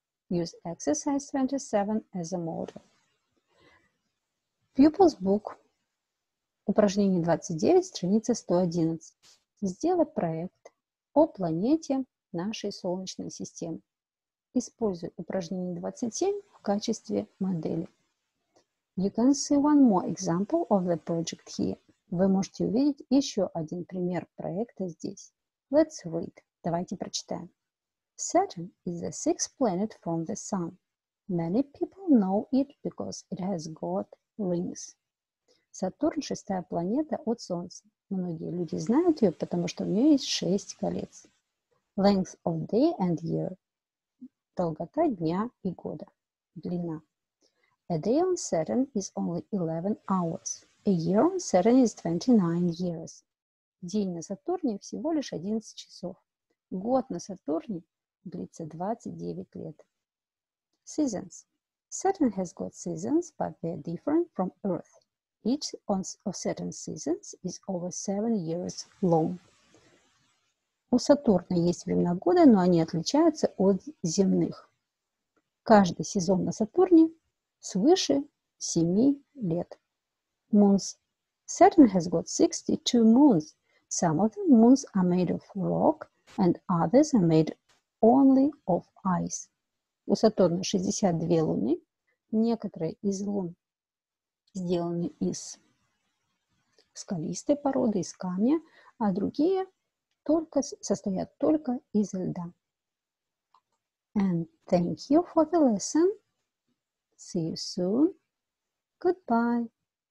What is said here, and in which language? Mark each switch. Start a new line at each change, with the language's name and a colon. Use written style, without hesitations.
English: Use exercise 27 as a model. Pupil's book,
Russian: упражнение 29, страница 111. Сделать проект о планете нашей Солнечной системы. Используй упражнение 27 в качестве модели.
English: You can see one more example of the project here.
Russian: Вы можете увидеть еще один пример проекта здесь.
English: Let's read.
Russian: Давайте прочитаем.
English: Saturn is the sixth planet from the Sun. Many people know it because it has got rings.
Russian: Сатурн – шестая планета от Солнца. Многие люди знают ее, потому что у нее есть шесть колец.
English: Length of day and year.
Russian: Долгота дня и года. Длина.
English: A day on Saturn is only 11 hours. A year on Saturn is 29 years.
Russian: День на Сатурне всего лишь 11 часов. Год на Сатурне длится 29 лет.
English: Seasons. Saturn has got seasons, but they are different from Earth. Each of Saturn's seasons is over 7 years long.
Russian: У Сатурна есть времена года, но они отличаются от земных. Каждый сезон на Сатурне свыше 7 лет.
English: Moons. Saturn has got 62 moons. Some of the moons are made of rock and others are made only of ice.
Russian: У Сатурна 62 луны. Некоторые из лун сделаны из скалистой породы, из камня, а другие только состоят только из льда.
English: And thank you for the lesson. See you soon. Goodbye.